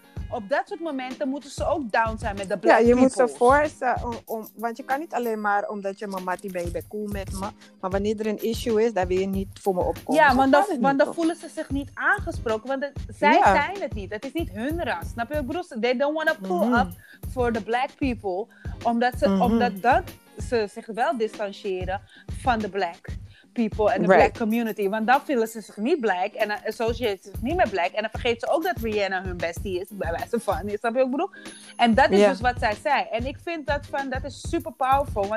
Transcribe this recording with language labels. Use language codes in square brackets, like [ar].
[nl] op dat soort momenten moeten ze ook down zijn met de black people. Ja, je moet ze forcen. Want je kan niet alleen maar omdat je mama die ben je cool met me. Maar wanneer er een issue is, dan wil je niet voor me opkomen. Ja, want dan voelen ze zich niet aangesproken. Want zij zijn het niet. Het is niet hun ras. Snap je, broers? [en] They don't want to pull up for the black people. [nl] Omdat ze, omdat ze zich wel distancieren van de black people en de black community. Want dan voelen ze zich niet black en dan associëren ze zich niet met black. En dan vergeet ze ook dat Rihanna hun bestie is, bij wijze van. Snap je wat ik bedoel? En dat is dus wat zij zei. En ik vind dat van, dat is super powerful.